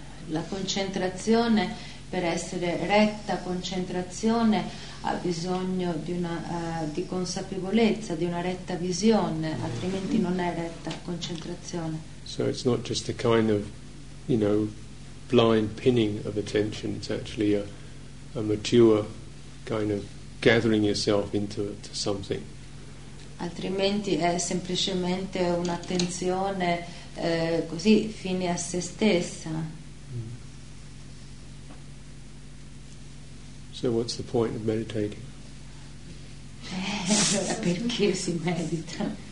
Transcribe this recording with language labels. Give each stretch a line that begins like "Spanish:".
Italian: La concentrazione, per essere retta concentrazione, ha bisogno di una di consapevolezza, di una retta visione. Altrimenti, non è retta concentrazione.
English: So it's not just a kind of, blind pinning of attention. It's actually a mature kind of gathering yourself into something.
Italian: Altrimenti è semplicemente un'attenzione così fine a se stessa.
English: So what's the point of meditating?
Italian: Allora perché si medita?